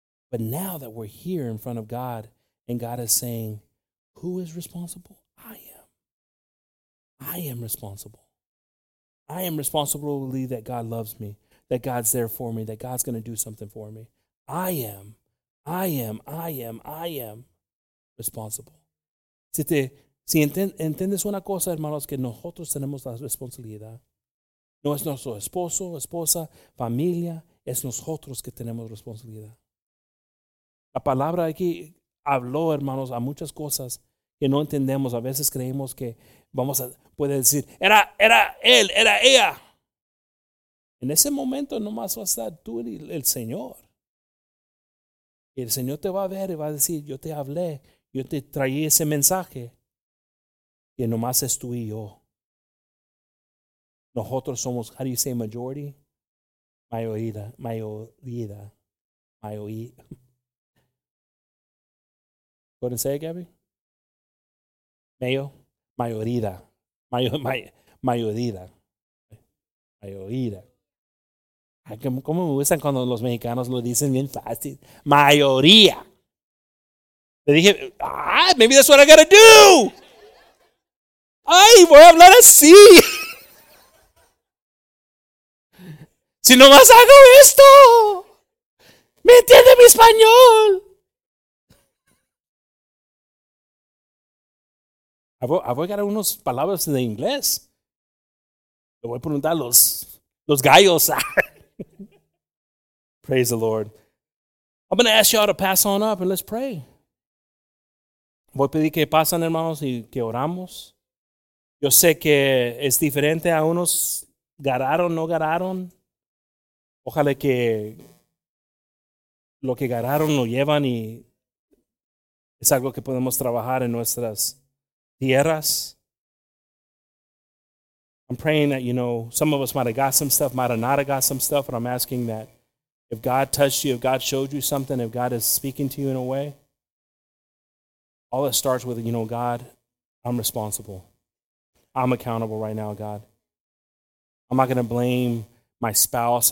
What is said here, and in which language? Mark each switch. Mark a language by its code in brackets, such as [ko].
[en] But now that we're here in front of God, and God is saying, who is responsible? I am. I am responsible. I am responsible to believe that God loves me, that God's there for me, that God's going to do something for me. I am responsible. [es] Si entiendes una cosa, hermanos, que nosotros tenemos la responsabilidad. No es nuestro esposo, esposa, familia, es nosotros que tenemos responsabilidad. La palabra aquí habló, hermanos, a muchas cosas que no entendemos. A veces creemos que puede decir, era él, era ella. En ese momento nomás va a estar tú y el Señor. El Señor te va a ver y va a decir, yo te hablé. Yo te traí ese mensaje que nomás es tú y yo. Nosotros somos, [en] how do you say majority? [es] Mayoría, mayoría, mayoría. [en] Go ahead and say it, Gabby. [es] Mayo, mayoría, mayoría, mayoría. ¿Cómo me gustan cuando los mexicanos lo dicen bien fácil? Mayoría. Le dije, ah, [en] maybe that's what I gotta do. [es] Ay, voy a hablar así. Si nomás hago esto, ¿me entiende mi español? Voy a agarrar unas palabras de inglés. Le voy a preguntar a los gallos. [en] Praise the Lord. I'm going to ask y'all to pass on up and let's pray. [es] Voy a pedir que pasen, hermanos, y que oramos. Yo sé que es diferente a unos ganaron, no ganaron. Ojalá que lo que ganaron lo llevan y es algo que podemos trabajar en nuestras tierras. [en] I'm praying that, you know, some of us might have got some stuff, might have not have got some stuff, but I'm asking that if God touched you, if God showed you something, if God is speaking to you in a way, all that starts with, you know, God, I'm responsible. I'm accountable right now, God. I'm not going to blame my spouse.